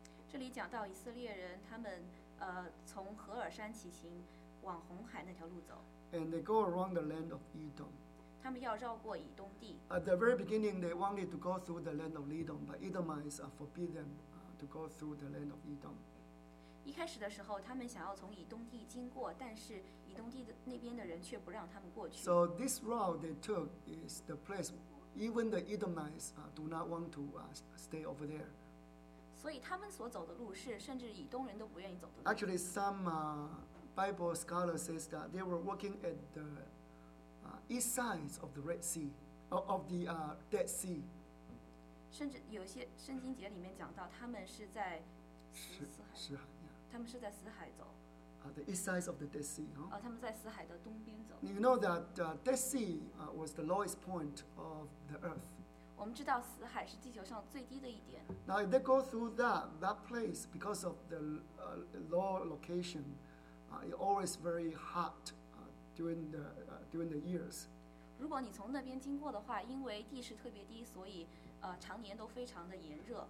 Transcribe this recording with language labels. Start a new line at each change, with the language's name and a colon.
Chinese: 这里讲到以色列人他们从何尔山起行往红海那条路走。
English: And they go around the land of Edom.
Chinese: 他们要绕过以东地。
English: At the very beginning, they wanted to go through the land of Edom, but Edomites forbid them to go through the land of Edom.
Chinese: 一开始的时候，他们想要从以东地经过，但是以东地的那边的人却不让他们过去。
English: So this route they took is the place even the Edomites do not want to stay over there.
Chinese: 所以他们所走的路是甚至以东人都不愿意走的路。
English: Actually, some Bible scholars say that they were working at the east sides of the Red Sea, of the Dead Sea.
Chinese: 甚至有些圣经节里面讲到，他们是在死海。他们是在死海走。
English: The east side of the Dead Sea.
Chinese: 他们在死海的东边走。
English: You know that Dead Sea was the lowest point of the earth.
Chinese: 我们知道死海是地球上最低的一点。
English: Now if they go through that place because of the low location, it's always very hot during the years.
Chinese: 如果你从那边经过的话，因为地势特别低，所以常年都非常的炎热。